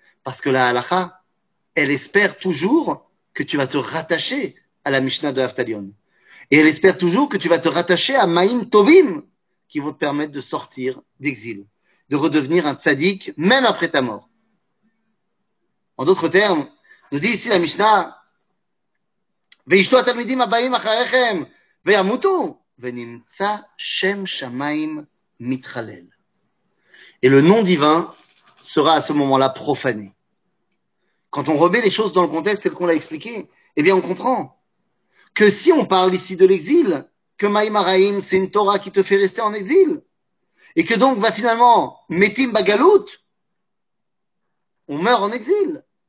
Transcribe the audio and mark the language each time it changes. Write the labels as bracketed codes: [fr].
[fr] Parce que la halakha, elle espère toujours que tu vas te rattacher à la Mishnah de Haftalion. Et elle espère toujours que tu vas te rattacher à Maïm Tovim, qui vont te permettre de sortir d'exil, de redevenir un tzaddik, même après ta mort. En d'autres termes, nous dit ici la Mishnah, [he] וישתו התלמידים הבאים אחריכם, וימותו, ונמצא שם שמיים מתחלל. [fr] Et le nom divin sera à ce moment-là profané. Quand on remet les choses dans le contexte tel qu'on l'a expliqué, eh bien on comprend que si on parle ici de l'exil, que Maïm Araïm, c'est une Torah qui te fait rester en exil, et que donc va finalement Metim Bagalout, on meurt en exil.